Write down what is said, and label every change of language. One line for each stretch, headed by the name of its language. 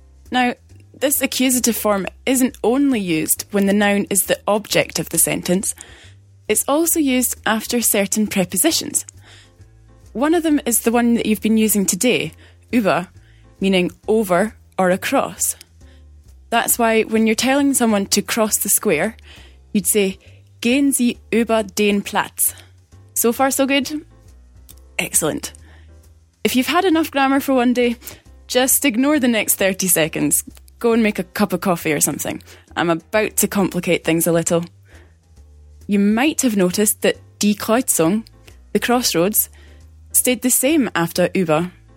English: Now, this accusative form isn't only used when the noun is the object of the sentence. It's also used after certain prepositions. One of them is the one that you've been using today, über, meaning over or across. That's why when you're telling someone to cross the square, you'd say,
German: Gehen Sie über den Platz.
English: So far, so good? Excellent. If you've had enough grammar for one day, just ignore the next 30 seconds. Go and make a cup of coffee or something. I'm about to complicate things a little. You might have noticed that Die Kreuzung, the crossroads, stayed the same after über.